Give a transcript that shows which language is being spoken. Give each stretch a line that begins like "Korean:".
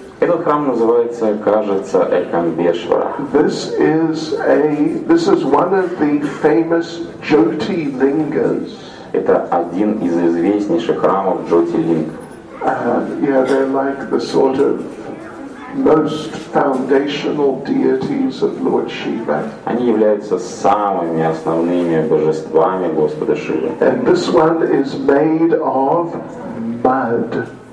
Russian: Этот храм называется, кажется, Экамбешвара.
English: This is one of the famous Jyoti Lingas.
Russian: Это один из известнейших храмов Джотилинг.
English: They're like the sort of most foundational deities of Lord Shiva.
Russian: Они являются самыми основными божествами Господа Шивы.
English: And this one is made of mud.